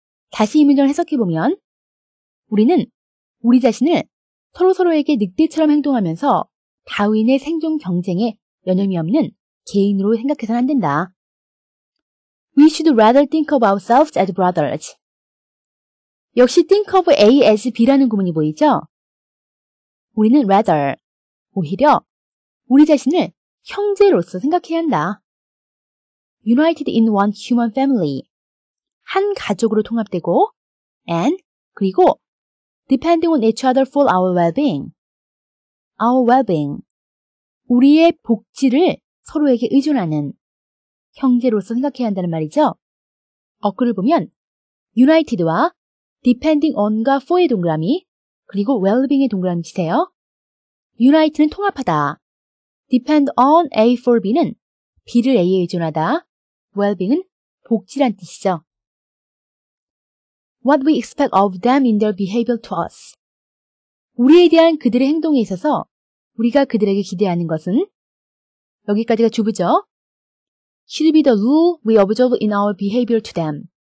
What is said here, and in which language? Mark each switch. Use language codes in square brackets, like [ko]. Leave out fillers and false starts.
[ko] 다시 이 문장을 해석해보면 우리는 우리 자신을 서로서로에게 늑대처럼 행동하면서 다윈의 생존 경쟁에 여념이 없는 개인으로 생각해서는 안 된다. [en] We should rather think of ourselves as brothers. [ko] 역시 think of A as B라는 구문이 보이죠? 우리는 rather, 오히려 우리 자신을 형제로서 생각해야 한다. [en] United in one human family. [ko] 한 가족으로 통합되고 [en] and [ko] 그리고 [en] depending on each other for our well-being. our well-being. [ko] 우리의 복지를 서로에게 의존하는 형제로서 생각해야 한다는 말이죠. 어크를 보면 United와 Depending on과 For의 동그라미 그리고 Well-being의 동그라미치세요. United는 통합하다. Depend on A for B는 B를 A에 의존하다. Well-being은 복지란 뜻이죠. [en] What we expect of them in their behavior to us. [ko] 우리에 대한 그들의 행동에 있어서 우리가 그들에게 기대하는 것은 여기까지가 주부죠. [en] Should be the rule we observe in our behavior to them.